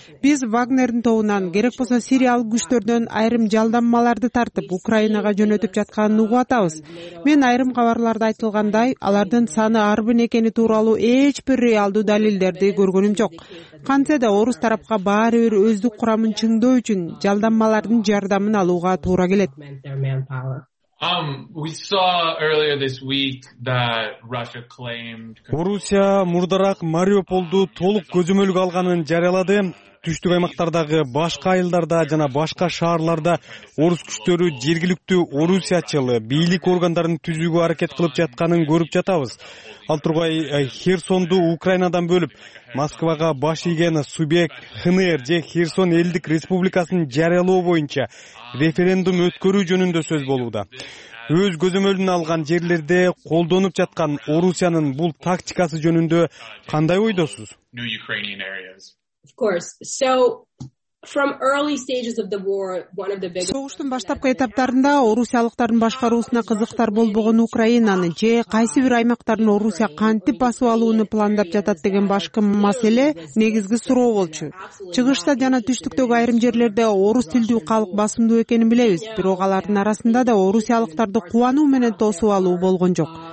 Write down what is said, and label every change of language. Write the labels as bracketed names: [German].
[Kyrgyz] Биз Вагнердин тобунан, керек болсо сириялык күчтөрдөн айрым жалдамаларды тартып Украинага жөнөтүп жатканын угуп атабыз. Мен айрым кабарларда айтылгандай, алардын саны арбын экени тууралуу эч бир реалдуу далилдерди көргөнүм жок. Кантсе да орус тарапка баары бир өздүк курамын чыңдоо үчүн жалдамалардын жардамын алууга туура келет. [English] We saw earlier this week that Russia claimed [Kyrgyz] Орусия мурдараак Мариуполду толук көзөмөлгө алганын жарыялады. Түштүк аймактардагы башка айылдарда жана башка шаарларда орус күчтөрү жергиликтүү орусиячыл бийлик органдарын түзүүгө аракет кылып жатканын көрүп жатабыз. Ал тургай Херсонду Украинадан бөлүп Москвага баш ийген субъект ХНР же Херсон элдик республикасын жарыялоо боюнча референдум өткөрүү жөнүндө сөз болууда. Өз көзөмөлүнө алган жерлерде колдонуп жаткан Орусиянын бул тактикасы жөнүндө кандай ойдосуз? [English] Of course. So from early stages of the war, one of the biggest [Kyrgyz] согуштун баштапкы этаптарында орусиялыктардын башкаруусуна кызыктар болбогон Украинаны же кайсы бир аймактарын Орусия кантип басып алууну пландап жатат деген башкы маселе негизги суроо болчу. Чыгышта жана түштүктөгү айрым жерлерде орус тилдүү калк басымдуу экенин билебиз, бирок алардын арасында да орусиялыктарды кубануу менен тосуп алуу болгон жок.